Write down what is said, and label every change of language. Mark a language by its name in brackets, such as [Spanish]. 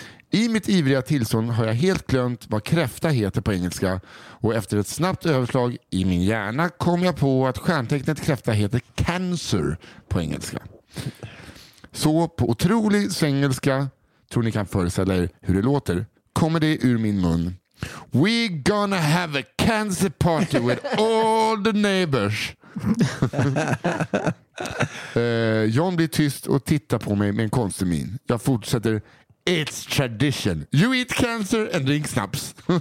[Swedish] I mitt ivriga tillstånd har jag helt glömt vad kräfta heter på engelska och efter ett snabbt överslag i min hjärna kom jag på att stjärntecknet kräfta heter cancer på engelska. Så på otrolig svengelska, tror ni kan föreställa er hur det låter, kommer det ur min mun. [English] We gonna have a cancer party with all the neighbors. [Swedish] John blir tyst och tittar på mig med en konstig min. Jag fortsätter. [English] It's tradition. You eat cancer and drink snaps.